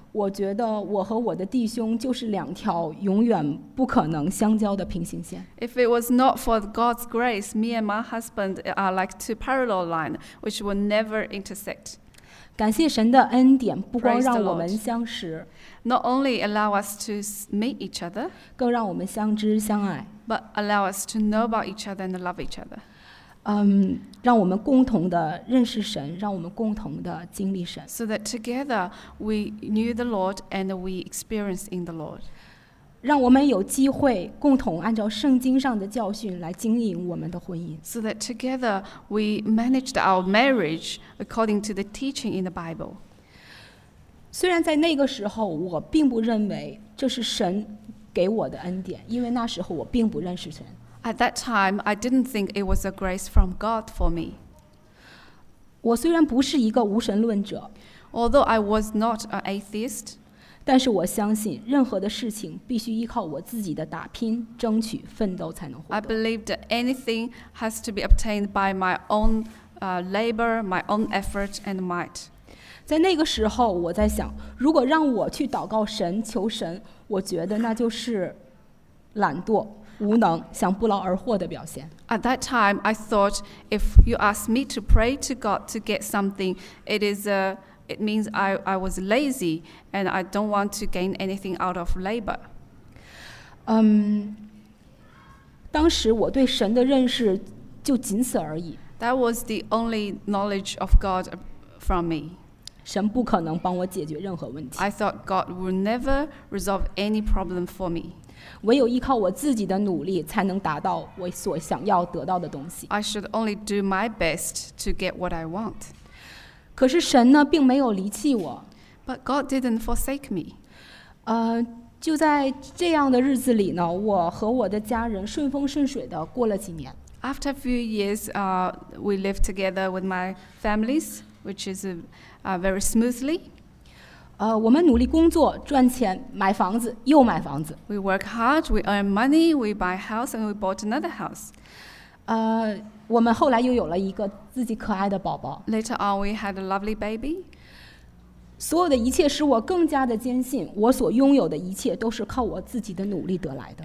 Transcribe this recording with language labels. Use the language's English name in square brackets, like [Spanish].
[Chinese] 我觉得我和我的弟兄就是两条永远不可能相交的平行线。 [English] If it was not for God's grace, me and my husband are like two parallel lines, which will never intersect. [Chinese] 感谢神的恩典，不光让我们相识 [English] ，not only allow us to meet each other， [Chinese] 更让我们相知相爱 [English] ，but allow us to know about each other and love each other. [Chinese] 让我们共同的认识神，让我们共同的经历神。 [English] So that together we knew the Lord and we experienced in the Lord. [Chinese] 让我们有机会共同按照圣经上的教训来经营我们的婚姻。 [English] So that together we managed our marriage according to the teaching in the Bible. [Chinese] 虽然在那个时候我并不认为这是神给我的恩典，因为那时候我并不认识神。 [English] At that time, I didn't think it was a grace from God for me. [Chinese] 我虽然不是一个无神论者， [English] although I was not an atheist, [Chinese] 但是我相信任何的事情必须依靠我自己的打拼、争取、奋斗才能获得。 [English] I believed that anything has to be obtained by my own labor, my own effort and might. [Chinese] 在那个时候，我在想，如果让我去祷告神、求神，我觉得那就是懒惰。无能，想不劳而获的表现。 [English] At that time, I thought if you ask me to pray to God to get something, it means I was lazy and I don't want to gain anything out of labor. [Chinese] 当时我对神的认识就仅此而已。 [English] That was the only knowledge of God from me. [Chinese] 神不可能帮我解决任何问题。 [English] I thought God would never resolve any problem for me. [Chinese] 唯有依靠我自己的努力才能达到我所想要得到的东西。 [English] I should only do my best to get what I want. [Chinese] 可是神呢并没有离弃我。 [English] But God didn't forsake me. [Chinese] 就在这样的日子里呢，我和我的家人顺风顺水地过了几年。 [English] After a few years, we lived together with my families, which is very smoothly. [Chinese] 我们努力工作赚钱买房子又买房子。 [English] We work hard, we earn money, we buy a house and we bought another house. [Chinese] 我们后来又有了一个自己可爱的宝宝。 [English] Later on, we had a lovely baby. [Chinese] 所有的一切使我更加的坚信，我所拥有的一切都是靠我自己的努力得来的。